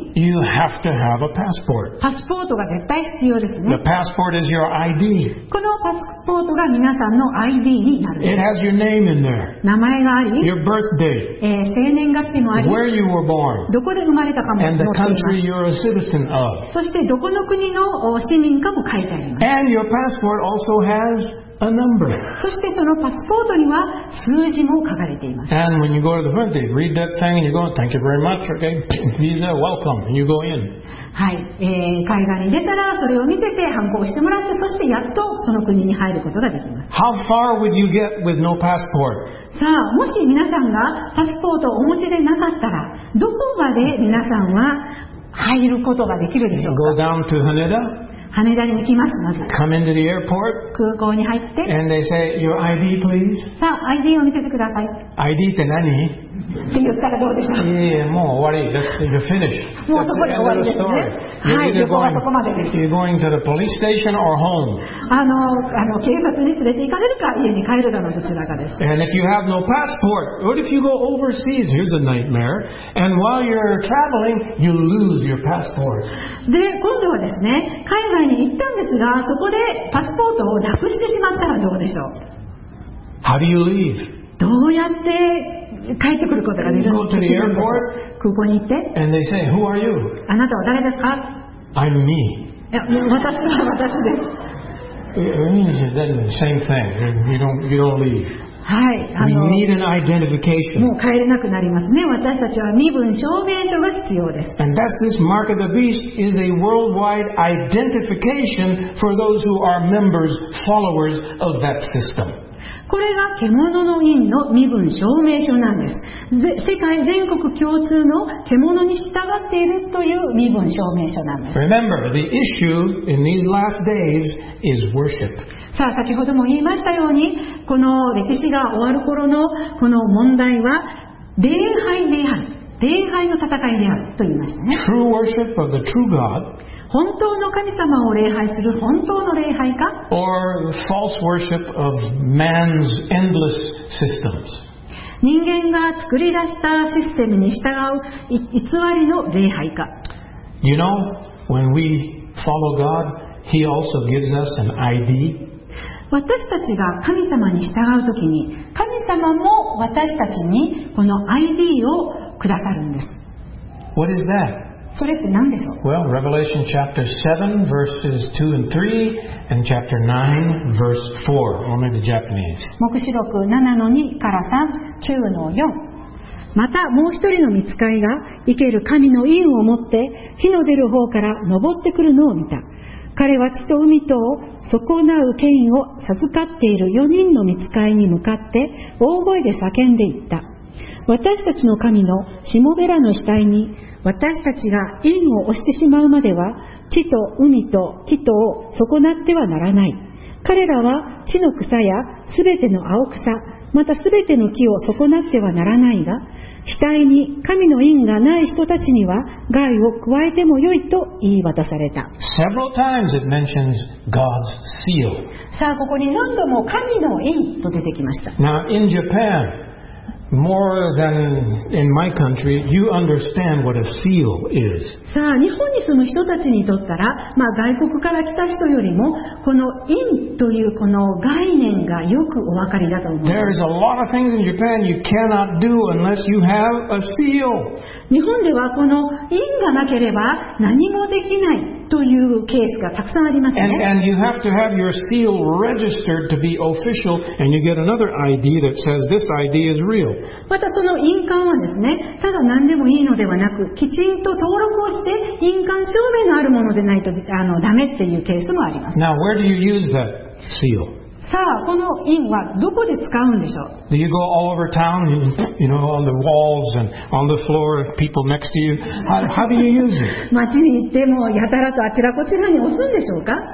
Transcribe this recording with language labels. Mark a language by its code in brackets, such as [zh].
[en] You have to have a passport. [ja] パスポートが絶対必要ですね。 [en] The passport is your ID. [ja] このパスポートが皆さんの ID になる。 [en] It has your name in there. [ja] 名前があり、 [en] Your birthday. [ja] 生年月日もあり、 [en] Where you were born. [ja] どこで生まれたかも載っています。 [en] And the country you're a citizen of. [ja] そしてどこの国の市民かも書いてあります。 [en] And your passport also has a number. [ja] そしてそのパスポートには数字も書かれています。 [en] And when you go to the front, they read that thing and you go, thank you very much, okay, visa, welcome, and you go in. [ja] はい、海外に出たらそれを見せて判子をしてもらって、そしてやっとその国に入ることができます。 [en] How far would you get with no passport? [ja] さあもし皆さんがパスポートをお持ちでなかったら、どこまで皆さんは入ることができるでしょうか。 [en] Go down to Haneda. [ja] 羽田に行きます、まず。 [en] Come into the airport. [ja] 空港に入って。 [en] And they say, your ID, please. [ja] さあ、ID を見せてください。 ID って何？って言ったらどうでしょう。いやいや、もう終わり。 [en] That's the finish. [ja] もうそこで終わりですね。はい、旅行はそこまでです。 [en] You're going to the police station or home? [ja] あの、警察に連れて行かれるか、家に帰るかのどちらかです。 [en] And if you have no passport, what if you go overseas? Here's a nightmare. And while you're traveling, you lose your passport. [ja] で、今度はですね、海外に行ったんですが、そこでパスポートをなくしてしまったらどうでしょう。 [en] How do you leave? [ja] どうやって帰ってくることができる [en] の。 Go to the airport, [ja] 空港に行って、 [en] And they say, Who are you? [ja] あなたは誰ですか。 [en] I'm me. [ja] いや、私は私です。 [en] It means you're doing the same thing. You don't leave. [ja] はい、 [en] We need an identification. [ja] もう帰れなくなりますね。私たちは身分証明書が必要です。 [en] And thus this mark of the beast is a worldwide identification for those who are members, followers of that system. [ja] これが獣の印の身分証明書なんです。世界全国共通の獣に従っているという身分証明書なんです。 [en] Remember, the issue in these last days is worship. [ja] さあ先ほども言いましたように、この歴史が終わる頃のこの問題は礼拝である、礼拝の戦いであると言いましたね。 [en] True worship of the true God, [ja] 本当の神様を礼拝する本当の礼拝か、 [en] or false worship of man's endless systems, [ja] 人間が作り出したシステムに従う偽りの礼拝か。 [en] You know, when we follow God, He also gives us an ID. [ja] 私たちが神様に従うときに、神様も私たちにこの ID をくださるんです。 [en] What is that? [ja] それって何でしょう。 [en] Well, Revelation chapter 7 verses 2 and 3 and chapter 9 verse 4, only the Japanese. [ja] 黙示録7の2から3、9の4。またもう一人の御使いが生ける神の印を持って火の出る方から昇ってくるのを見た。彼は地と海とを損なう権威を授かっている4人の御使いに向かって大声で叫んでいった。私たちの神のしもべらの額に私たちが印を押してしまうまでは地と海と木とを損なってはならない。彼らは地の草やすべての青草またすべての木を損なってはならないが、額に神の印がない人たちには害を加えてもよいと言い渡された。 [en] Several times it mentions God's seal. [ja] さあここに何度も神の印と出てきました。 [en] Now in Japan, More than in my country, you understand what a seal is. [ja] さあ、日本に住む人たちにとったら、まあ、外国から来た人よりも、この印というこの概念がよくお分かりだと思います。 [en] There is a lot of things in Japan you cannot do unless you have a seal. [ja] 日本ではこの印がなければ何もできないというケースがたくさんありますね。 [en] And you have to have your seal registered to be official, and you get another ID that says this ID is real. [ja] またその印鑑はですね、ただ何でもいいのではなく、きちんと登録をして印鑑証明のあるものでないとダメっていうケースもあります。 [en] Now, where do you use that seal? [ja] さあこの印はどこで使うんでしょう。 [en] Do you go all over town, you know, on the walls and on the floor, people next to you? How do you use it? [ja] 街に行ってもやたらとあちらこちらに押すんでしょうか。